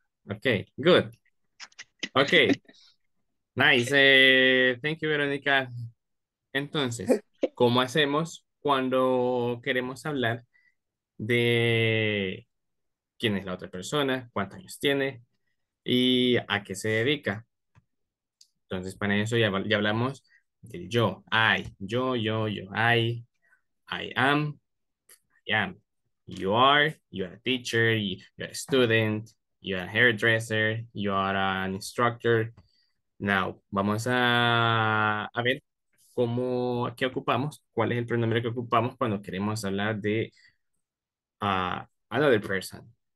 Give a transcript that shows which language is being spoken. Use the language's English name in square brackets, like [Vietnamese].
[English] Okay, good. Okay. Nice. Thank you, Veronica. [Spanish] Entonces, ¿cómo hacemos cuando queremos hablar de quién es la otra persona, cuántos años tiene y a qué se dedica? Entonces, para eso ya hablamos del yo, [English] I, yo, I am, I am, you are a teacher, you are a student, you are a hairdresser, you are an instructor. [Spanish] Now, vamos a ver cómo, qué ocupamos, cuál es el pronombre que ocupamos cuando queremos hablar de [English] another person.